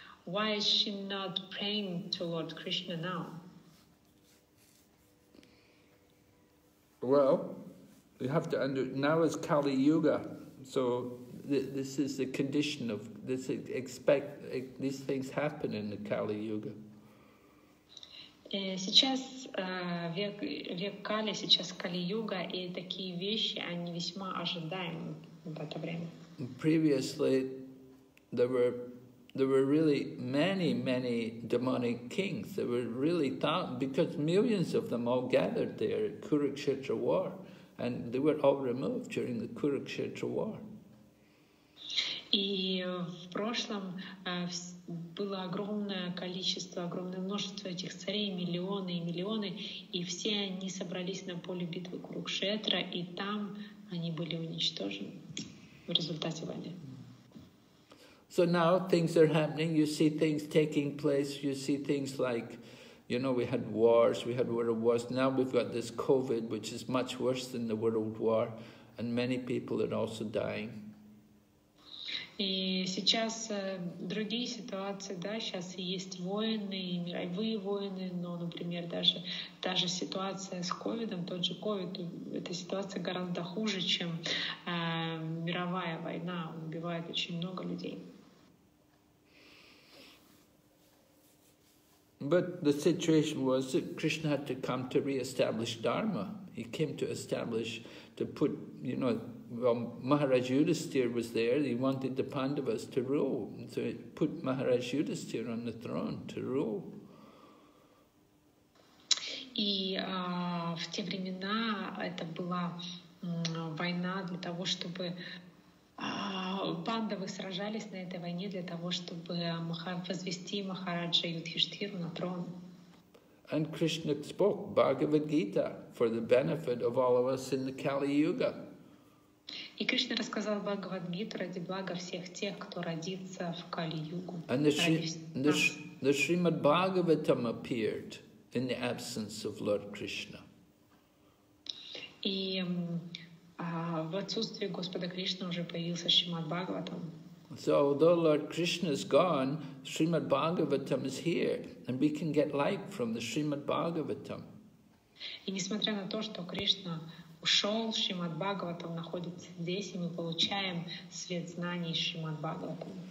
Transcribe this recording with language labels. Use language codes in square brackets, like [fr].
[en] Why is she not praying to Lord Krishna now? Well, you have to now is Kali Yuga, so this is the condition of this. Expect these things happen in the Kali Yuga. [ru] Сейчас век Кали, сейчас Кали-юга, и такие вещи, они весьма ожидаемы в это время. [en] Previously, there were really many demonic kings. There were really because millions of them all gathered there at Kurukshetra War, and they were all removed during the Kurukshetra War. [ru] И в прошлом было огромное количество, огромное множество этих царей, миллионы и миллионы, и все они собрались на поле битвы Курукшетра, и там они были уничтожены в результате войны. [en] So now things are happening, you see things taking place, you see things like, you know, we had wars, we had world wars, now we've got this COVID, which is much worse than the world war, and many people are also dying. [ru] И сейчас другие ситуации, да, сейчас есть войны, и мировые войны, но, например, даже ситуация с ковидом, тот же ковид, эта ситуация гораздо хуже, чем мировая война, убивает очень много людей. [en] But the situation was that Krishna had to come to re-establish Dharma. He came to establish, to put, you know, well, Maharaj Yudhisthira was there. He wanted the Pandavas to rule. And so he put Maharaj Yudhisthira on the throne to rule. [ru] И в те времена это была война для того, чтобы пандавы сражались на этой войне для того, чтобы возвести Махараджа Юдхиштхиру на трон. [en] And Krishna spoke Bhagavad Gita for the benefit of all of us in the Kali Yuga. [ru] И Кришна рассказал Бхагавад Гиту ради блага всех тех, кто родится в Кали Югу. [en] And the Srimad Bhagavatam appeared in the absence of Lord Krishna. [ru] И в отсутствие Господа Кришны уже появился Шримад Бхагаватам. [en] So although Lord Krishna is gone, Srimad Bhagavatam is here, and we can get light from the Srimad Bhagavatam. [ru] И несмотря на то, что Кришна ушел, Шримад Бхагаватам находится здесь, и мы получаем свет знаний Шримад Бхагаватам.